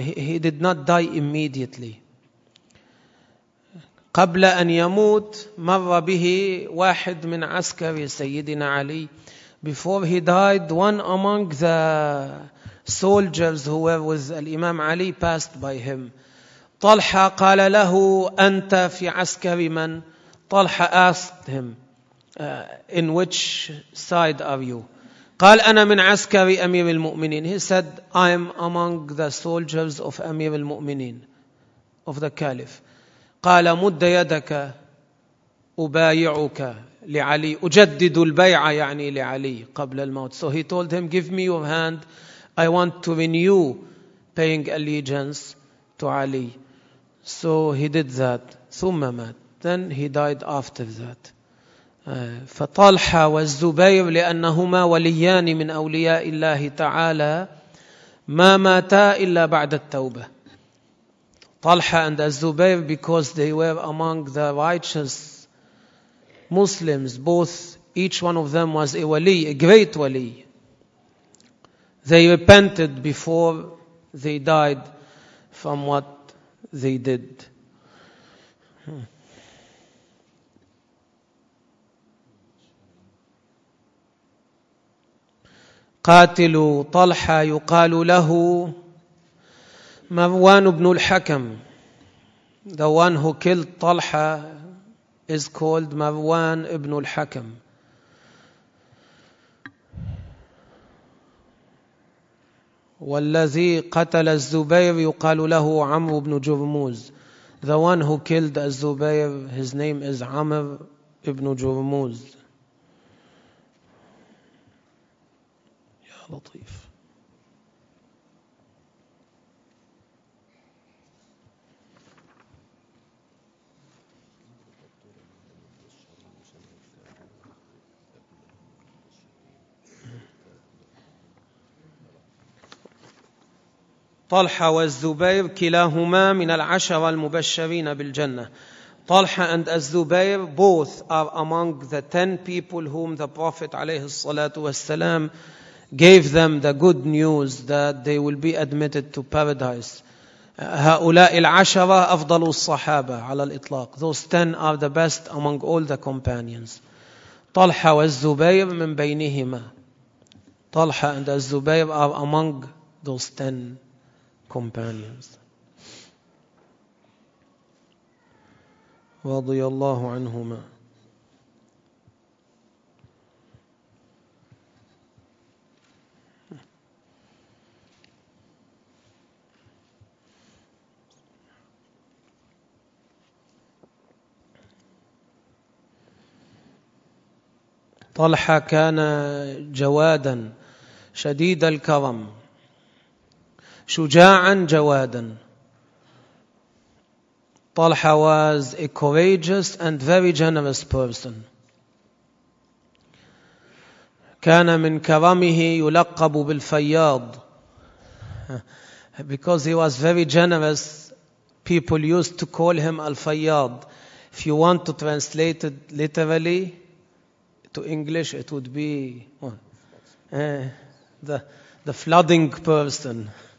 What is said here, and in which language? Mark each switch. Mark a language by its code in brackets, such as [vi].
[en] He did not die immediately. [ar] قبل أن يموت مر به واحد من عسكر سيدنا علي. [en] Before he died, one among the soldiers who were with Imam Ali passed by him. [ar] طلحة قال له أنت في عسكر من؟ طلحة [en] asked him, in which side are you? [ar] قال أنا من عسكر أمير المؤمنين. [en] He said, I am among the soldiers of أمير المؤمنين, of the Caliph. [ar] قال مد يدك أبايعك لعلي, أجدد البيعة يعني لعلي قبل الموت. [en] So he told him, give me your hand, I want to renew paying allegiance to Ali. So he did that. [ar] ثم مات. [en] Then he died after that. [ar] فطلحة والزبير لأنهما وليان من أولياء الله تعالى ما ماتا إلا بعد التوبة. [en] Talha and Az-Zubayr, because they were among the righteous Muslims, both, each one of them was a wali, a great wali. They repented before they died from what they did. [ar] قاتلوا طلحة يقال له مروان بن الحكم. [en] The one who killed Talha is called مروان بن الحكم. [ar] والذي قتل الزبير يقال له عمرو بن جرموز. [en] The one who killed الزبير, his name is عمر بن جرموز. [ar] يا لطيف. طلحة والزبير كلاهما من العشرة المبشرين بالجنة. [en] طلحة and الزبير both are among the 10 people whom the Prophet [ar] عليه الصلاة والسلام [en] gave them the good news that they will be admitted to paradise. [ar] هؤلاء العشرة أفضل الصحابة على الإطلاق. [en] Those 10 are the best among all the companions. [ar] طلحة والزبير من بينهما. [en] طلحة and الزبير are among those 10 companions. [ar] رضي الله عنهما. طلحة كان جوادا شديد الكرم, شجاعا جوادا. [en] طلحة was a courageous and very generous person. كان من كرمه يلقب بالفياض. Because he was very generous, people used to call him al-fayyad. If you want to translate it literally to English, it would be the flooding person.